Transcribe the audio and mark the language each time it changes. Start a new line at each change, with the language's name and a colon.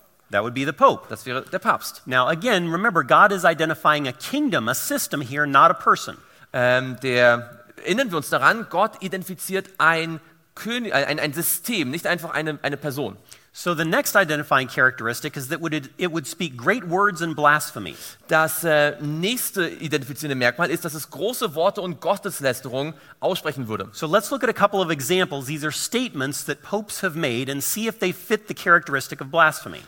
English: That would be the Pope.
German: Das wäre der Papst.
English: Now again, remember, God is identifying a kingdom, a system here, not a person.
German: Erinnern wir uns daran, Gott identifiziert ein System, nicht einfach eine Person.
English: So the next identifying characteristic is that it would speak great words and blasphemy.
German: Das nächste identifizierende Merkmal ist, dass es große Worte und Gotteslästerung aussprechen würde.
English: So let's look at a couple of examples. These are statements that popes have made and see if they fit the characteristic of blasphemy.